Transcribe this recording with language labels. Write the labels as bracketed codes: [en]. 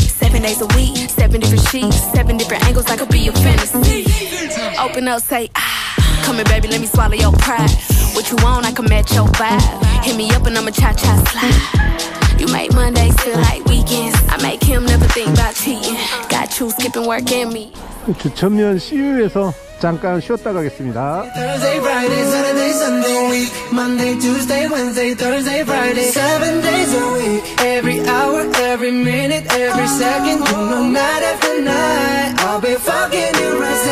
[en] 7 days a week, 7 different sheets. 7 different angles, I could be your fantasy. Open up, say, ah. Come here, baby, let me swallow your pride. What you want, I can match your vibe. Hit me up and I'ma cha-cha slide. You make Mondays feel like weekends. I make him never think about cheating. Got you skipping work and me. [ko] 주천면 CU에서 잠깐 쉬었다 가겠습니다. [en] Thursday, Friday, Saturday, Sunday week. Monday, Tuesday, Wednesday, Thursday, Friday. 7 days a week. Every hour, every minute, every second. You know, night after night, I'll be fucking you right.